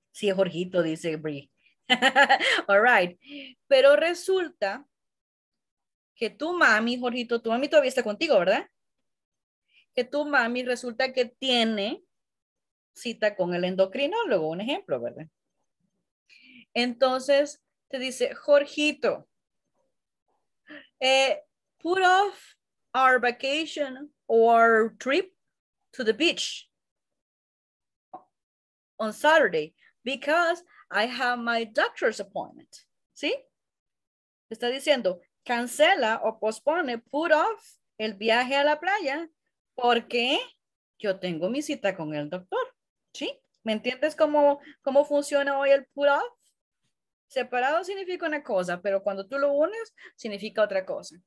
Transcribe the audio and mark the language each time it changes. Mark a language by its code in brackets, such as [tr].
[es] Sí, es Jorgito, dice Brie. [en] All right. [es] Pero resulta que tu mami, Jorgito, tu mami todavía está contigo, ¿verdad? Que tu mami resulta que tiene cita con el endocrinólogo, un ejemplo, ¿verdad? Entonces, te dice, [en] Jorgito, put off our vacation or trip to the beach on Saturday because I have my doctor's appointment. [es] ¿Sí? Está diciendo, cancela o pospone, put off el viaje a la playa porque yo tengo mi cita con el doctor. ¿Sí? ¿Me entiendes cómo funciona hoy el put off? Separado significa una cosa, pero cuando tú lo unes, significa otra cosa.